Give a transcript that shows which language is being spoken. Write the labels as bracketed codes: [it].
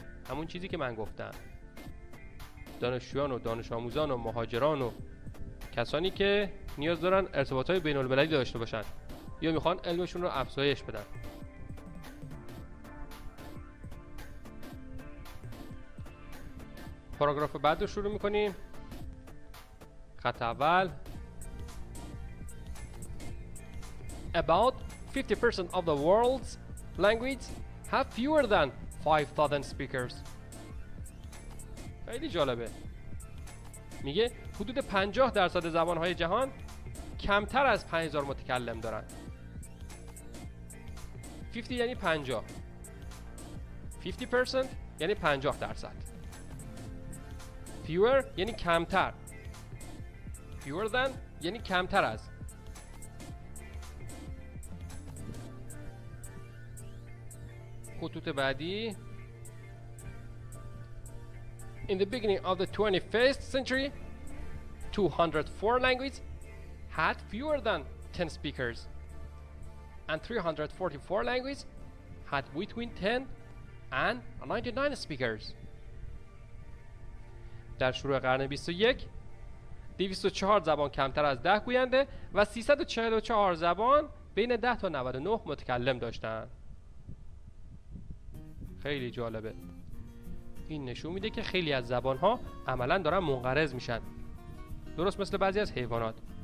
[fa] همون چیزی که من گفتم. دانشجویان و دانش آموزان و مهاجران و کسانی که نیاز دارن ارتباطات بین المللی داشته باشن یا میخوان علمشون رو افزایش بدن. پاراگراف بعد رو شروع میکنیم. خط اول، [en] About 50% of the world's languages have fewer than 5,000 speakers. [fa] خیلی جالبه. میگه حدود 50% زبان‌های جهان کمتر از 5000 متکلم دارن. 50 یعنی 50. 50% یعنی 50%. Fewer یعنی کمتر. Fewer than یعنی کمتر از. خطوط بعدی، [en] In the beginning of the 21st century 204 languages had fewer than 10 speakers and 344 languages had between 10 and 99 speakers. [fa] در شروع قرن 21 204 زبان کمتر از 10 گوینده و 344 زبان بین 10 تا 99 متکلم داشتن. خیلی جالبه، این نشون میده که خیلی از زبان‌ها عملاً دارن منقرض میشن، درست مثل بعضی از حیوانات.